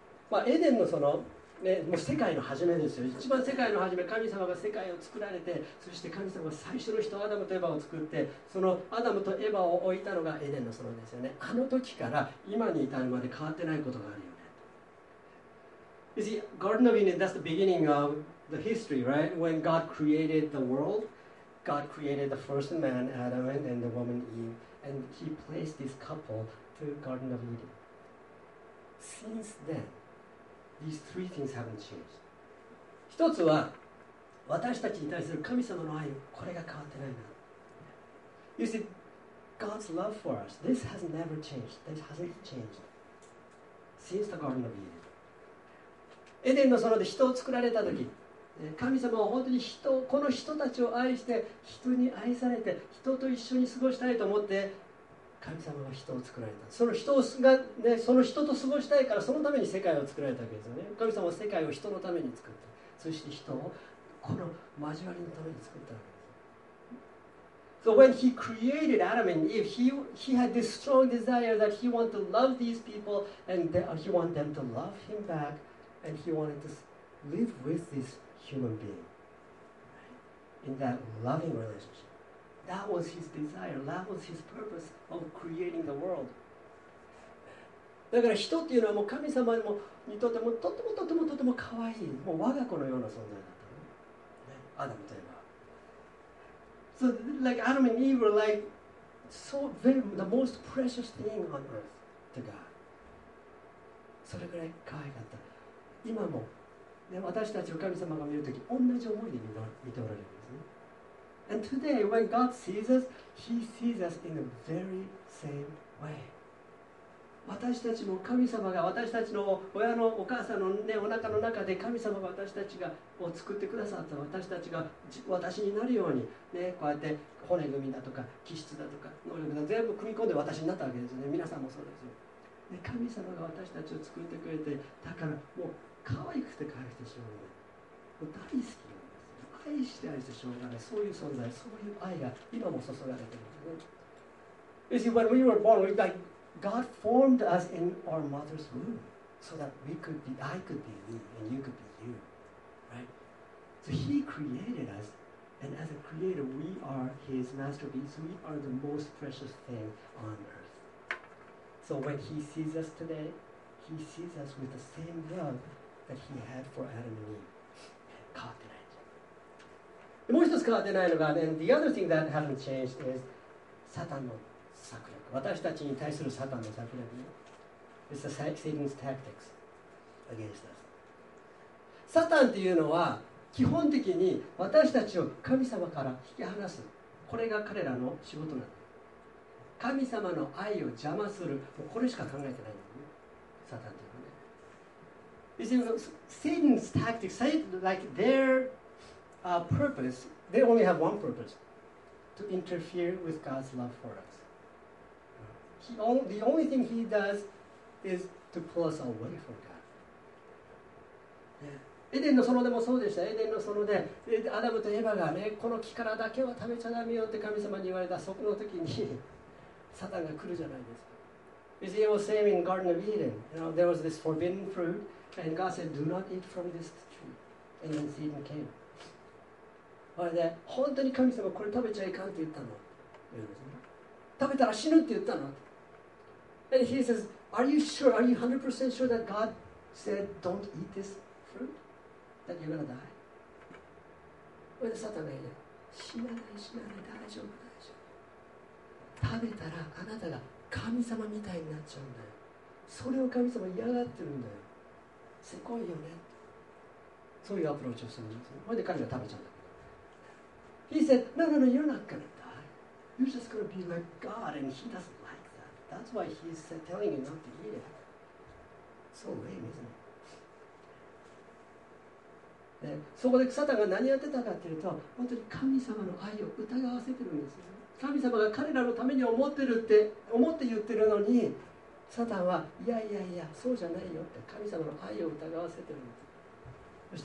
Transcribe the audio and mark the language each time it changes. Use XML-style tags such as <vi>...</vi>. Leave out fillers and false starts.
<ja>まあ、エデンのその、ね、もう世界の初めですよ。一番世界の初め、神様が世界を作られて、そして神様が最初の人、アダムとエヴァを作って、そのアダムとエヴァを置いたのがエデンの園ですよね。あの時から今に至るまで変わってないことがあるよね。</ja> <en>You see, Garden of Eden, that's the beginning of the history, right? When God created the world. God created the first man, Adam, and then the woman, Eve, and he placed this couple to the Garden of Eden. Since then, these three things haven't changed.</en> <ja>一つは、私たちに対する神様の愛、これが変わってないな。</ja> <en>You see, God's love for us, this has never changed. This hasn't changed. Since the Garden of Eden.</en> <ja>エデンの園で人を作られた時、神様は本当に人、この人たちを愛して、人に愛されて、人と一緒に過ごしたいと思って、神様は人を作られた。その人が、ね、その人と過ごしたいから、そのために世界を作られたわけですよね。神様は世界を人のために作った。そして人をこの交わりのために作ったわけです。</ja> <en>So when he created Adam and Eve, he had this strong desire that he wanted to love these people and he wanted them to love him back and he wanted to live with this. Human being, in that loving relationship. That was his desire, that was his purpose of creating the world.</en> <ja>だから人っていうのはもう神様にとってもとてもとてもとても可愛い、もう我が子のような存在だったね。アダムといえば。</ja> <en>So like Adam and Eve were like so very, the most precious thing on earth to God.</en> <ja>それぐらい可愛かった。今も、ね、私たちを神様が見るとき、同じ思いで見ておられるんですね。</ja> <en>And today, when God sees us, He sees us in the very same way.</en> <ja>私たちも神様が私たちの親のお母さんの、ね、お腹の中で神様が私たちがを作ってくださった私たちが私になるように、ね、こうやって骨組みだとか気質だとか能力だとか全部組み込んで私になったわけですよね。皆さんもそうですよ。で神様が私たちを作ってくれて、だからもう可愛くて可愛くてしょうがない。もう大好きなんですよ。愛して愛してしょうがない。そういう存在、そういう愛が今も注がれてるんですね。</ja> <en>You see, when we were born, we died. God formed us in our mother's womb so that we could be, I could be me and you could be you, right? So He created us, and as a creator, we are His masterpiece. We are the most precious thing on earth. So when He sees us today, He sees us with the same love that He had for Adam and Eve.</en> <ja>変わってないじゃん。もう一つ変わってないのが、</ja> <en>and the other thing that hasn't changed is Satan</en> <ja>の策略。私たちに対するサタンの策略ね。</ja> <en>It's the Satan's tactics against us.</en> <ja>サタンっていうのは基本的に私たちを神様から引き離す。これが彼らの仕事なんだ。神様の愛を邪魔する。もうこれしか考えてないんだよね。サタンっていうのはね。</ja> <en>Satan's tactics, like their purpose, they only have one purpose. To interfere with God's love for us. The only thing he does is to pull us away from God.</en> <ja>エデンの園でもそうでした。エデンの園で、アダムとエヴァがね、この木からだけは食べちゃダメよって神様に言われた。そこの時にサタンが来るじゃないですか。</ja> <en>He was saying in Garden of Eden, you know, there was this forbidden fruit, and God said, "Do not eat from this tree." And then Satan came.</en> <ja>これで本当に神様これ食べちゃいかんって言ったの。食べたら死ぬって言ったの。</ja> <en>And he says, "Are you sure? Are you 100% sure that God said, 'Don't eat this fruit, that you're gonna die'?" When Satan said,</en> <ja>"死なない、死なない、大丈夫、大丈夫。食べたらあなたが神様みたいになっちゃうんだよ。それを神様嫌がってるんだよ。せこいよね。そういうアプローチをするんですよ。それで彼が食べちゃう。</ja> <en>He said, "No, no, no. You're not gonna die. You're just gonna be like God, and He doesn't." That's why he's telling you not to eat it. So lame, isn't it?</en> <ja>で、そこでサタンが何やってたかっていうと、本当に神様の愛を疑わせてるんですよ。神様が彼らのために思ってるって、思って言ってるのに、サタンは、いやいやいや、そうじゃないよって神様の愛を疑わせてるんです。</ja>